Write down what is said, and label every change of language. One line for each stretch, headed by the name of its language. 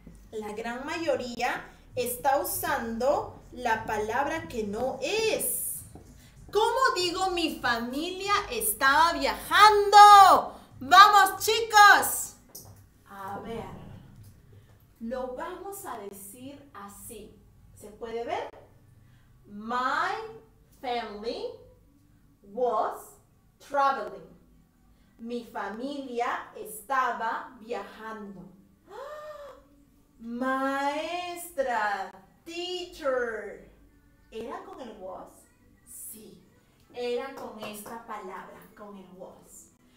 Spanish: La gran mayoría está usando la palabra que no es. ¿Cómo digo mi familia estaba viajando? ¡Vamos, chicos! A ver, lo vamos a decir así. ¿Se puede ver?
English: My family was traveling.
Spanish: Mi familia estaba viajando. ¡Oh! Maestra, teacher. ¿Era con el was? Sí, era con esta palabra, con el was.